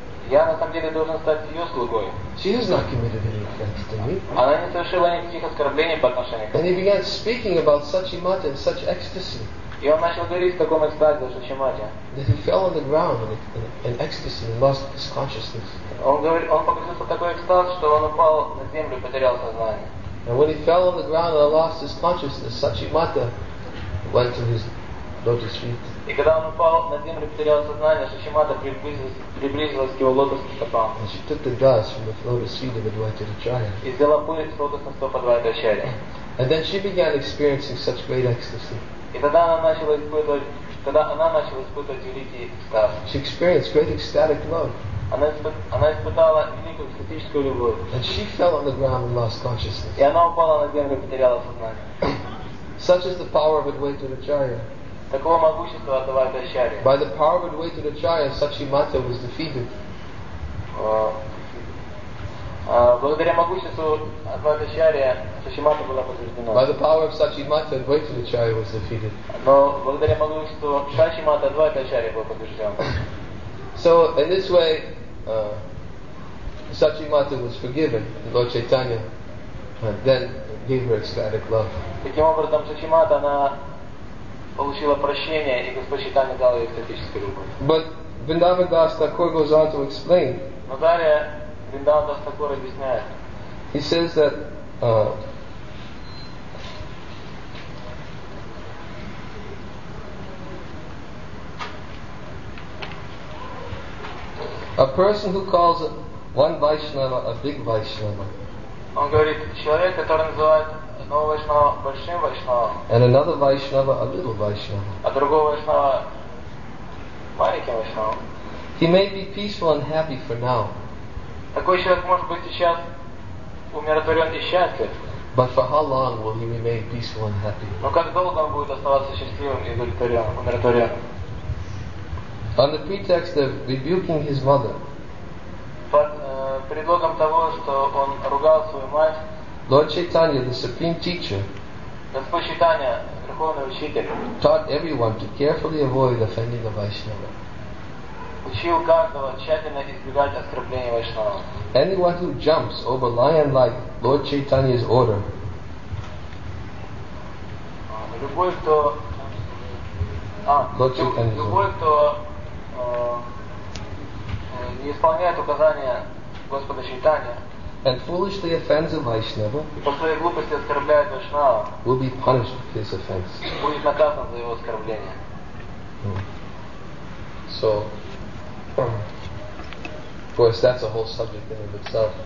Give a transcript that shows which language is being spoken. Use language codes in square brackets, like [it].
[ru] Я на самом деле должен стать ее слугой. [en] She has not committed any offense to me. [ru] Она не совершила никаких оскорблений по отношению к ней. [en] And he began speaking about Сачимата in such ecstasy. [ru] И он начал говорить в таком экстазе о Сачимате. [en] That he fell on the ground in ecstasy and lost his consciousness. [ru] Он погрузился в такой экстаз, что он упал на землю и потерял сознание. [en] And when he fell on the ground and lost his consciousness, Сачимата went to his lotus feet. [ru] И когда он упал на землю и потерял сознание, Сачимата приблизилась к его лотосным стопам. [en] And she took the dust from the lotus feet of Advaita Acharya. [ru] И взяла пыль с лотосных стоп Адвайта Ачарьи. [en] And then she began experiencing such great ecstasy. [ru] И тогда она начала испытывать великий экстаз. [en] She experienced great ecstatic love. [ru] Она испытала великую эстетическую любовь. [en] And she fell on the ground and lost consciousness. [ru] И она упала на землю и потеряла сознание. [en] Such is the power of Advaita Acharya. [ru] Такого могущества Адвайта Ачарья. [en] By the power of Advaita Acharya, Сачимата was defeated. [ru] Благодаря могуществу Адвайта Ачарья Сачимата была побеждена. [en] By the power of Сачимата, Advaita Acharya was defeated. [ru] Но благодаря могуществу Сачимата Адвайта Ачарья был побежден. [en] So in this way, Сачимата was forgiven. Lord Chaitanya then gave her ecstatic love. [ru] Таким образом, Сухимата она получила прощение, и Господь Чайтанья дал ей эстетическую любовь. [en] But Vrindavan Das Thakur goes on to explain. [ru] Но далее Vrindavan Das Thakur объясняет. [en] He says that a person who calls one Vaishnava a big Vaishnava. [ru] Он говорит, человек, который называет одного Вайшнава большим Вайшнава. [en] And another Vaishnava a little Vaishnava. [ru] А другого Вайшнава маленьким Вайшнава. [en] He may be peaceful and happy for now. [ru] Такой человек может быть сейчас умиротворен и счастлив. [en] But for how long will he remain peaceful and happy? [ru] Но как долго он будет оставаться счастливым и умиротворен? [en] On the pretext of rebuking his mother, [ru] под предлогом того, что он ругал свою мать, [en] Lord Chaitanya, the supreme teacher, [ru] Господь Чайтанья, верховный учитель, [en] taught everyone to carefully avoid offending the Vaishnava. [ru] Учил каждого тщательно избегать оскорбления Вайшнава. [en] Anyone who jumps over lion-like Lord Chaitanya's order, [ru] любой, кто, [en] Lord Chaitanya's [ru] любой, [en] order. [ru] Кто не исполняет указания Господа Чайтанья, [en] and foolishly offends a Vaishnava, [ru] и по своей глупости оскорбляет Вайшнава, [en] will be punished for his offense. [ru] Будет наказан за его оскорбление. [en] So, of course, that's a whole subject in of itself.